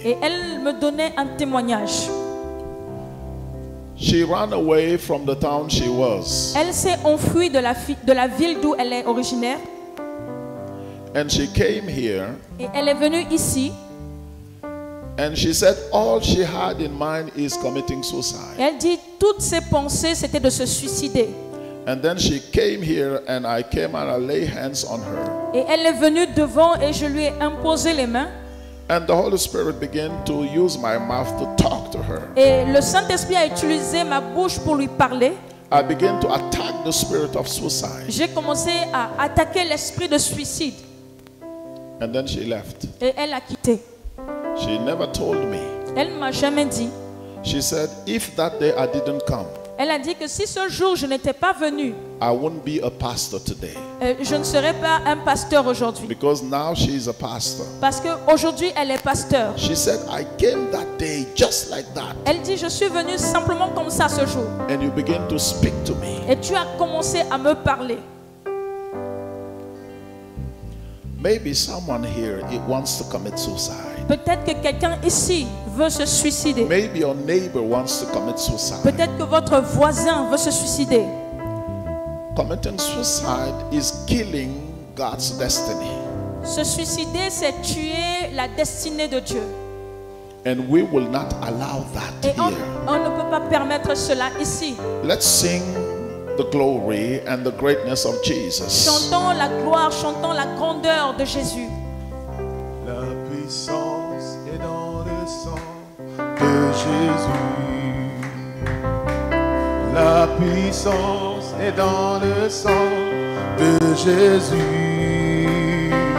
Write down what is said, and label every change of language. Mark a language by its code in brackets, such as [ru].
[fr] Et elle me donnait un témoignage. [en] She ran away from the town she was. [fr] Elle s'est enfuie de la ville d'où elle est originaire. [en] And she came here. [fr] Et elle est venue ici. [en] And she said all she had in mind is committing suicide. [fr] Elle dit toutes ses pensées c'était de se suicider. [en] And then she came here and I came and I lay hands on her. [fr] Et elle est venue devant et je lui ai imposé les mains. [en] And the Holy Spirit began to use my mouth to talk to her. [fr] Et le Saint-Esprit a utilisé ma bouche pour lui parler. [en] I began to attack the spirit of suicide. [fr] J'ai commencé à attaquer l'esprit de suicide. [en] And then she left. [fr] Et elle a quitté. [en] She never told me. [fr] Elle m'a jamais dit. [en] She said, if that day I didn't come, [fr] elle a dit que si ce jour je n'étais pas venu, [en] I wouldn't be a pastor today. [fr] Je ne serais pas un pasteur aujourd'hui. [en] Because now she is a pastor. [fr] Parce qu'aujourd'hui elle est pasteur. [en] She said, I came that day just like that. [fr] Elle dit, je suis venu simplement comme ça ce jour. [en] And you begin to speak to me. [fr] Et tu as commencé à me parler. [en] Maybe someone here wants to commit suicide. [fr] Peut-être que quelqu'un ici veut se suicider. [en] Maybe your neighbor wants to commit suicide. [fr] Peut-être que votre voisin veut se suicider. [en] Committing suicide is killing God's destiny. [fr] Se suicider, c'est tuer la destinée de Dieu. [en] And we will not allow that [fr] et [en] here. [fr] On ne peut pas permettre cela ici. [en] Let's sing the glory and the greatness of Jesus. [fr] Chantons la gloire, chantons la grandeur de Jésus. La puissance est dans le sang de Jésus. La puissance est dans le sang de Jésus.